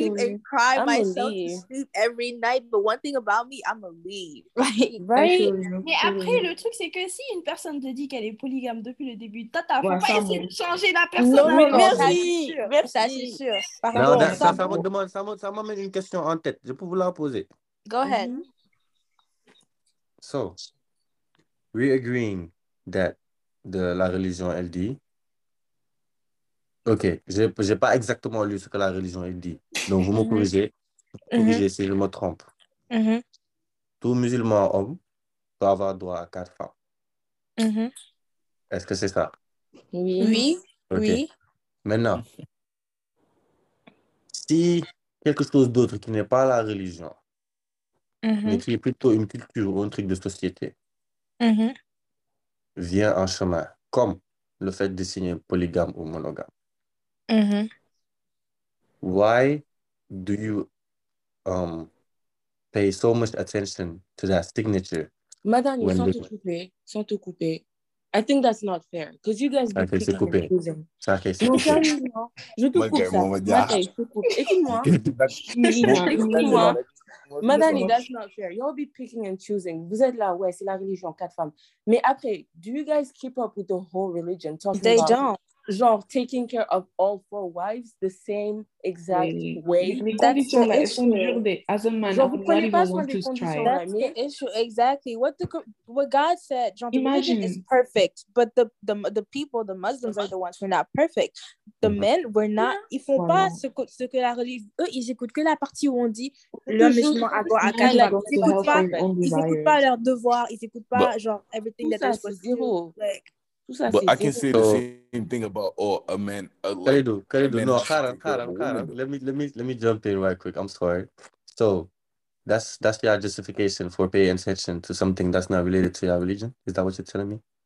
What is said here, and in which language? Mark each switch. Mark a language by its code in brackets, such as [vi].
[en] I would leave and cry myself to sleep every night, but one thing about me, I'm gonna leave. Right. [fr] Mais après, le truc, c'est que si une personne te dit qu'elle est polygame depuis le début, tata, faut pas essayer de changer la personne. Merci. Ça m'amène une question en tête. Je peux vous la poser. [en] Go ahead. So, we agreeing that [fr] la religion, elle dit. Ok, j'ai pas exactement lu ce que la religion dit. Donc, vous me corrigez. Si je me trompe. Mm-hmm. Tout musulman homme doit avoir droit à 4 femmes. Mm-hmm. Est-ce que c'est ça? Oui. Okay. Oui. Maintenant, si quelque chose d'autre qui n'est pas la religion, mm-hmm. mais qui est plutôt une culture ou un truc de société, mm-hmm. vient en chemin, comme le fait de signer polygame ou monogame, mm-hmm. [en] why do you pay so much attention to that signature? [fr] Madame, sans te couper. [en] I think that's not fair. Because you guys be picking coupé. Madame, that's not fair. You'll be picking and choosing. [fr] Vous êtes là, ouais, c'est la religion, quatre femmes. Mais après, [en] do you guys keep up with the whole religion? They don't. Genre, taking care of all four wives the same exact way. As a man, genre, not even want to try. That's the issue, exactly. What God said, genre, imagine. The religion is perfect, but the people, the Muslims, are the ones who are not perfect. The mm-hmm. men, we're not, yeah. [fr] ils font pas ce que la religion, eux, ils écoutent que la partie où on dit le musulman a droit à 4 femmes. Ils écoutent pas leurs devoirs, ils écoutent pas, genre, [en] everything that they're supposed to do. But I can say the same thing about a man. Let me jump in right quick. I'm sorry. So that's your justification for paying attention to something that's not related to your religion. Is that what you're telling me?